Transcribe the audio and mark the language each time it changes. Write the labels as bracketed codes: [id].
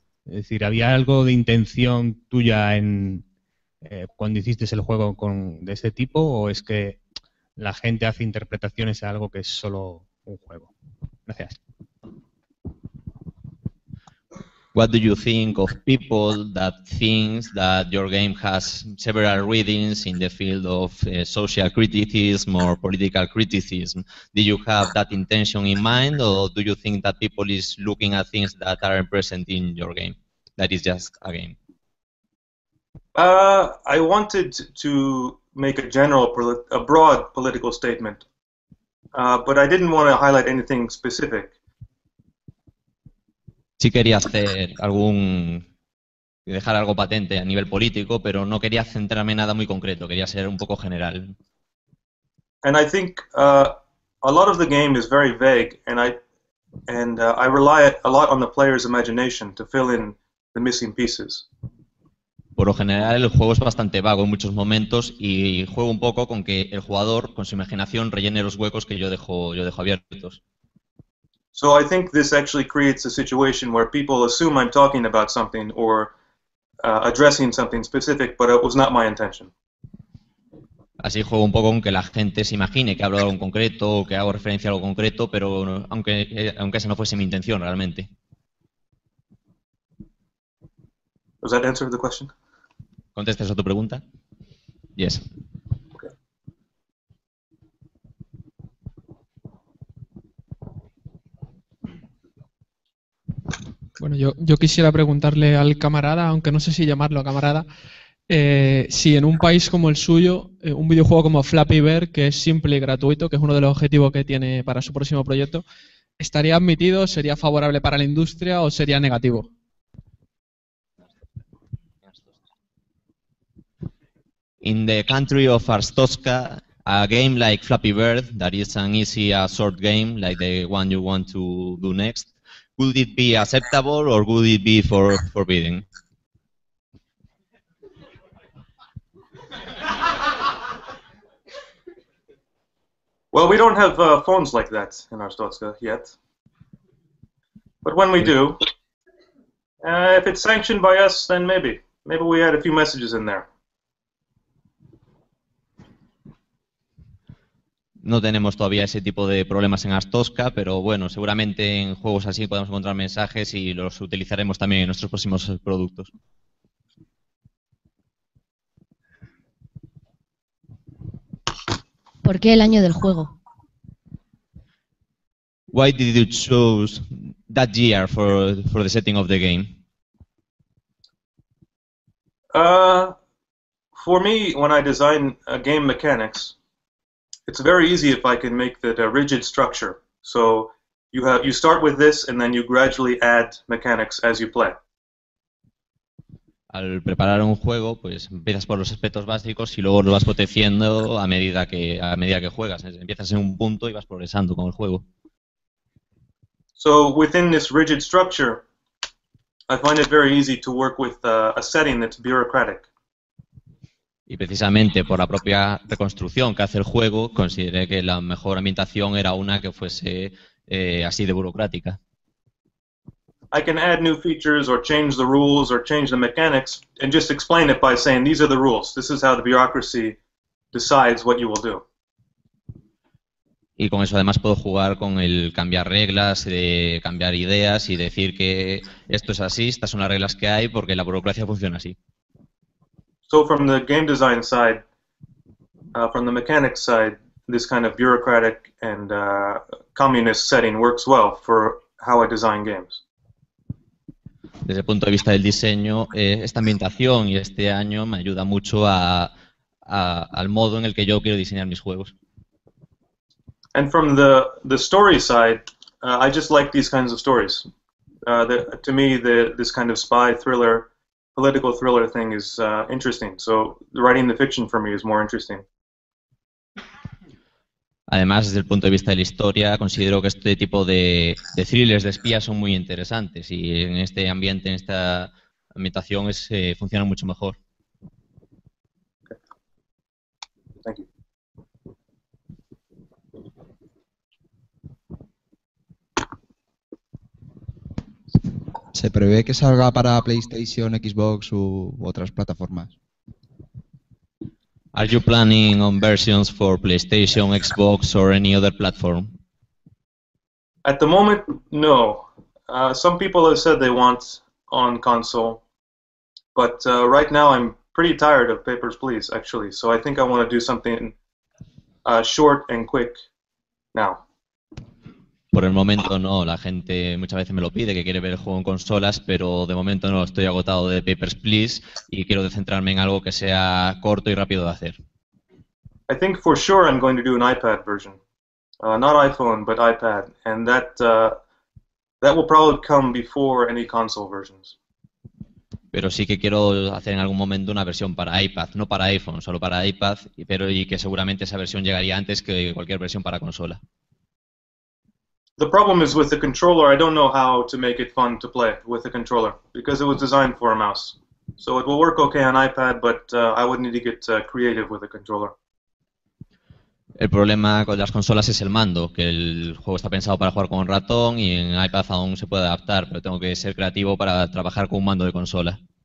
[es] Es decir, ¿había algo de intención tuya en cuando hiciste el juego con de este tipo o es que la gente hace interpretaciones de algo que es solo un juego? Gracias. [en] What do you think of people that thinks that your game has several readings in the field of social criticism or political criticism? Do you have that intention in mind or do you think that people is looking at things that aren't present in your game? That is just a game. I wanted to make a general, a broad political statement, but I didn't want to highlight anything specific. [es] Sí quería hacer algún, dejar algo patente a nivel político, pero no quería centrarme en nada muy concreto, quería ser un poco general. [en] And I think a lot of the game is very vague, and I rely a lot on the player's imagination to fill in the missing pieces. [es] Por lo general el juego es bastante vago en muchos momentos y juego un poco con que el jugador, con su imaginación, rellene los huecos que yo dejo abiertos. [en] So I think this actually creates a situation where people assume I'm talking about something or addressing something specific, but it was not my intention. [es] Así juego un poco con que la gente se imagine que hablo de algo en concreto o que hago referencia a algo concreto, pero aunque esa no fuese mi intención realmente. [en] Does that answer the question? [es] ¿Contestas a tu pregunta? [en] Yes. Okay. [es] Bueno, yo quisiera preguntarle al camarada, aunque no sé si llamarlo camarada, si en un país como el suyo, un videojuego como Flappy Bird, que es simple y gratuito, que es uno de los objetivos que tiene para su próximo proyecto, ¿estaría admitido, sería favorable para la industria o sería negativo? [en] In the country of Arstotzka, a game like Flappy Bird, that is an easy short game like the one you want to do next, would it be acceptable or would it be forbidden? Well, we don't have phones like that in Arstotzka yet. But when we do, if it's sanctioned by us, then maybe. Maybe we add a few messages in there. [es] No tenemos todavía ese tipo de problemas en Arstotzka, pero bueno, seguramente en juegos así podemos encontrar mensajes y los utilizaremos también en nuestros próximos productos. ¿Por qué el año del juego? [en] Why did you choose that year for the setting of the game? For me, when I design game mechanics, it's very easy if I can make that a rigid structure. So You start with this and then you gradually add mechanics as you play. [es] Al preparar un juego, pues empiezas por los aspectos básicos y luego lo vas potenciando a medida que juegas. Empiezas en un punto y vas progresando con el juego. [en] So within this rigid structure, I find it very easy to work with a setting that's bureaucratic. [es] Y precisamente por la propia reconstrucción que hace el juego, consideré que la mejor ambientación era una que fuese así de burocrática. [en] I can add new features or change the rules or change the mechanics and just explain it by saying these are the rules. This is how the bureaucracy decides what you will do. [es] Y con eso además puedo jugar con el cambiar reglas, cambiar ideas y decir que esto es así, estas son las reglas que hay porque la burocracia funciona así. [en] So from the game design side, from the mechanics side, this kind of bureaucratic and communist setting works well for how I design games. [es] Desde el punto de vista del diseño, esta ambientación y este año me ayuda mucho al modo en el que yo quiero diseñar mis juegos. [en] And from the story side, I just like these kinds of stories. To me, this kind of spy thriller, political thriller thing is interesting. So writing the fiction for me is more interesting. [es] Además, desde el punto de vista de la historia, considero que este tipo de thrillers, de espías, son muy interesantes y en este ambiente, en esta ambientación, funciona mucho mejor. [en] Thank you. [es] ¿Se prevé que salga para PlayStation, Xbox u otras plataformas? [en] Are you planning on versions for PlayStation, Xbox, or any other platform? At the moment, no. Some people have said they want on console, but right now I'm pretty tired of Papers, Please, actually, so I think I want to do something short and quick now. [es] Por el momento no, la gente muchas veces me lo pide, que quiere ver el juego en consolas, pero de momento no, estoy agotado de Papers, Please, y quiero centrarme en algo que sea corto y rápido de hacer. [en] I think for sure I'm going to do an iPad version. Not iPhone, but iPad. And that will probably come before any console versions. [es] Pero sí que quiero hacer en algún momento una versión para iPad, no para iPhone, solo para iPad, y que seguramente esa versión llegaría antes que cualquier versión para consola. [en] The problem is with the controller, I don't know how to make it fun to play with the controller, because it was designed for a mouse. So it will work okay on iPad, but I would need to get creative with the controller. [es] El problema con las consolas es el mando, que el juego está pensado para jugar con un ratón y en iPad aún se puede adaptar, pero tengo que ser creativo para trabajar con un mando de consola.